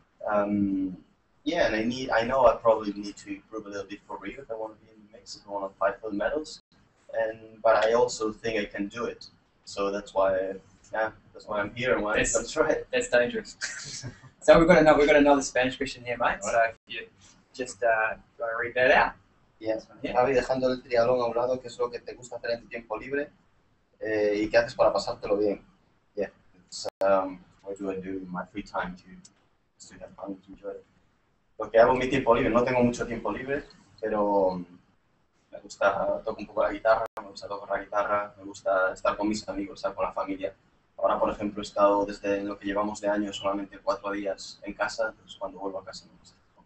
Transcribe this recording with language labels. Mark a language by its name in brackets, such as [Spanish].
[English] And I know I probably need to improve a little bit for Rio if I want to be in the mix, if I want to fight for the medals. But I also think I can do it. So that's why I'm here and why that's right. That's dangerous. So we've got another Spanish question here, mate. Right. So if you just gonna read that out. Yes. [Spanish] Javi, dejando el triatlón a un lado, ¿qué es lo que te gusta hacer en tu tiempo libre? ¿Y qué haces para pasártelo bien? [English] Yeah, it's what do I do in my free time to have fun, to enjoy it. [Spanish] Porque hago mi tiempo libre, no tengo mucho tiempo libre, pero me gusta, toco un poco la guitarra, me gusta tocar la guitarra, me gusta estar con mis amigos, estar con la familia. Ahora, por ejemplo, he estado desde lo que llevamos de año solamente 4 días en casa, entonces cuando vuelvo a casa me gusta.